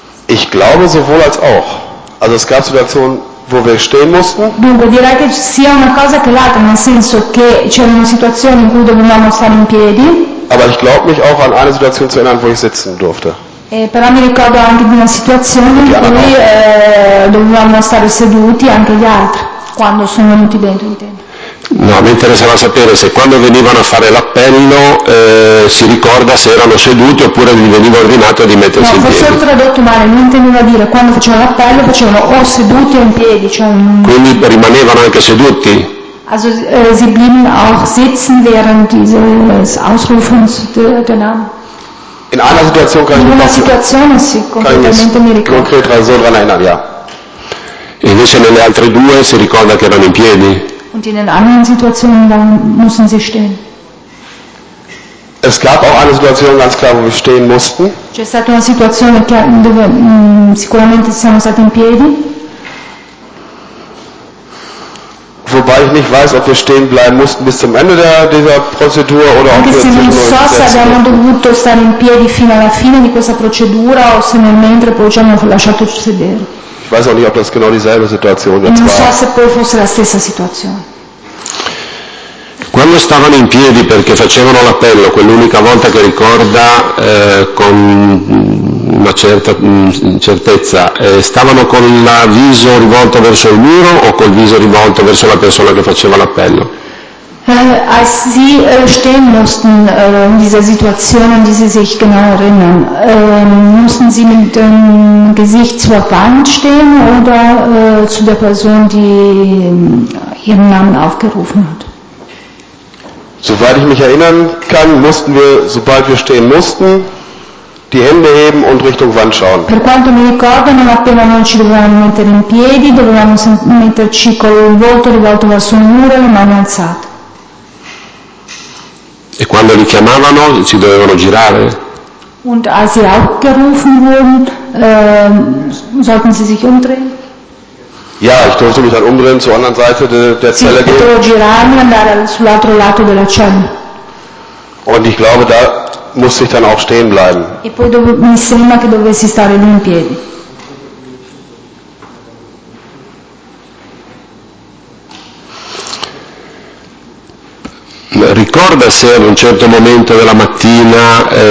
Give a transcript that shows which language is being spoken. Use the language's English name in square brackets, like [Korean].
[German] Ich glaube sowohl als auch. Also es gab Situationen, wo wir stehen mussten. [Italian] Dunque direi che sia una cosa che l'altra, nel senso che c'era una situazione in cui dovevamo stare in piedi. [German] Aber ich glaube mich auch an eine Situation zu erinnern, wo ich sitzen durfte. [Italian] Però mi ricordo anche di una situazione in cui dovevamo stare seduti anche gli altri quando sono venuti dentro. No, mi interessava sapere se quando venivano a fare l'appello si ricorda se erano seduti oppure gli veniva ordinato di mettersi in piedi. No, forse ho tradotto male, non intendeva dire quando facevano l'appello facevano o seduti o in piedi. Cioè quindi rimanevano anche seduti? [German] Also sie blieben auch sitzen während dieses Ausrufens der Namen. In einer Situation kann ich mich noch Situation [Italian] sì, completamente mi ricordo. [German] Konkret so dran erinnern, ja. [Italian] E invece nelle altre due si ricorda che erano in piedi? [German] Und in den anderen Situationen, dann müssen sie stehen. Es gab auch eine Situation, ganz klar, wo wir stehen mussten. C'è stata una situazione dove sicuramente siamo stati in piedi. Wobei ich nicht weiß, ob wir stehen bleiben mussten bis zum Ende dieser Prozedur oder [Italian] anche [German] ob wir [Italian] se non so se abbiamo dovuto stare in piedi fino alla fine di questa procedura o se nel mentre poi ci hanno lasciato sedere. [German] Ich weiß auch nicht, ob das genau dieselbe Situation jetzt [Italian] non [German] war. [Italian] So, se poi fosse la stessa situazione. Quando stavano in piedi perché facevano l'appello, quell'unica volta che ricorda con una certa certezza, stavano con il viso rivolto verso il muro o col viso rivolto verso la persona che faceva l'appello? [German] Als sie stehen mussten in dieser Situation, an die sie sich genau erinnern, mussten sie mit dem Gesicht zur Wand stehen oder zu der Person, die ihren Namen aufgerufen hat? Soweit ich mich erinnern kann, mussten wir, sobald wir stehen mussten, die Hände heben und Richtung Wand schauen. Per quanto mi ricordo, non appena non ci dovevamo mettere in piedi, dovevamo metterci col volto rivolto verso il muro e le mani alzate. [Italian] E quando li chiamavano si dovevano girare? [German] Und als sie aufgerufen wurden, sollten sie sich umdrehen? Ja, ich durfte mich dann umdrehen zur anderen Seite der Zelle gehen. [Italian] Potevo girarmi e andare sull'altro lato della cella. [German] Und ich glaube, da musste ich dann auch stehen bleiben. [Italian] E poi mi sembra che dovessi stare lì in piedi. Ricorda se ad un certo momento della mattina